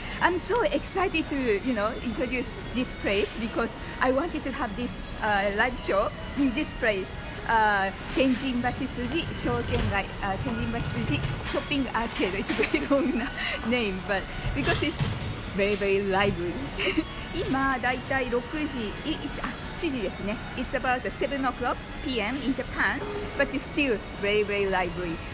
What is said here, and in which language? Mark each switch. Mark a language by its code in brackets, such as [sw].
[en] I'm so excited to, you know, introduce this place because I wanted to have this live show in this place. Tenjinbashisuji Shoutengai, Tenjinbashisuji Shopping Arcade. It's a very long name, but because it's very, very lively. [ja] 今だいたい6時、7時ですね。 [en] It's about 7 o'clock p.m. in Japan, but it's still very, very lively.